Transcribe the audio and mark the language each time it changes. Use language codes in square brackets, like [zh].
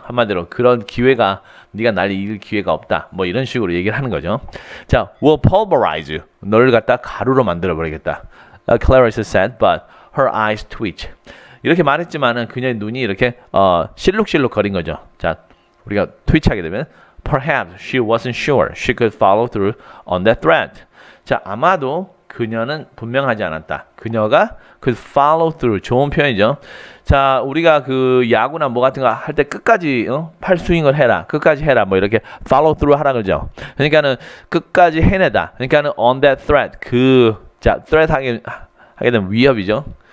[ko] 한마디로 그런 기회가 네가 날 이길 기회가 없다. 뭐 이런 식으로 얘기를 하는 거죠. [en] 자, we'll pulverize you. [ko] 너를 갖다 가루로 만들어 버리겠다. [en] Clarissa said, but her eyes twitch. [ko] 이렇게 말했지만은 그녀의 눈이 이렇게 실룩실룩 거린 거죠. 자, 우리가 트위치하게 되면 [en] perhaps she wasn't sure she could follow through on that threat. [ko] 자, 아마도 그녀는 분명하지 않았다. 그녀가 [en] could follow through [ko] 좋은 표현이죠. 자, 우리가 그 야구나 뭐 같은 거 할 때 끝까지 팔 스윙을 해라, 끝까지 해라, 뭐 이렇게 follow through 하라 그러죠. 그러니까는 끝까지 해내다. 그러니까는 [en] on that threat [ko] 그 자, threat 하게 되면 위협이죠.